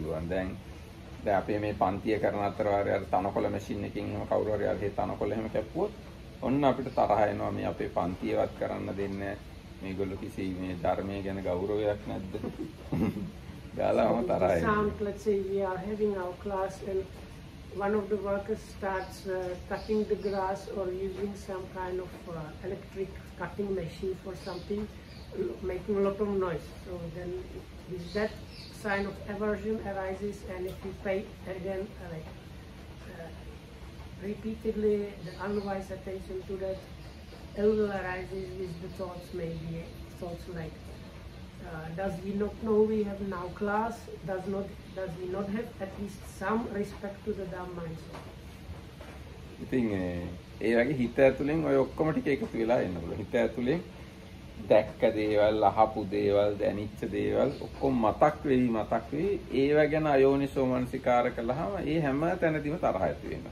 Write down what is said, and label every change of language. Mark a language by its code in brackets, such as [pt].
[si] දැන් අපි මේ පන්තිය කරන අතර වාරේ අර තනකොළ මැෂින් එකකින් එහම කවුරු හරි අර තනකොළ එහෙම කැපුවොත් ඔන්න අපිට තරහ එනවා මේ අපේ පන්තියවත් කරන්න දෙන්නේ මේගොල්ලෝ කිසි මේ ධර්මයේ ගැන ගෞරවයක් නැද්ද ගාලාම තරහ එනවා. [en] Example, let's say we are having our class and one of the workers starts cutting the grass or using some kind of electric cutting machine for something making a lot of noise. So then is that sign of aversion arises and if you pay again repeatedly the unwise attention to that ill arises with the thoughts maybe thoughts like does he not know we have now class does he not have at least some respect to the dumb mind so I think [si] ඒ වගේ හිත ඇතුලෙන් ඔය ඔක්කොම ටික එකතු වෙලා එන්න බුල හිත ඇතුලෙන් දැක්ක දේවල් අහපු දේවල් දැනිච්ච දේවල් ඔක්කොම මතක් වෙයි ඒව ගැන අයෝනිසෝ මනසිකාර කළාම ඒ හැම තැනදීම තරහ ඇති වෙන්න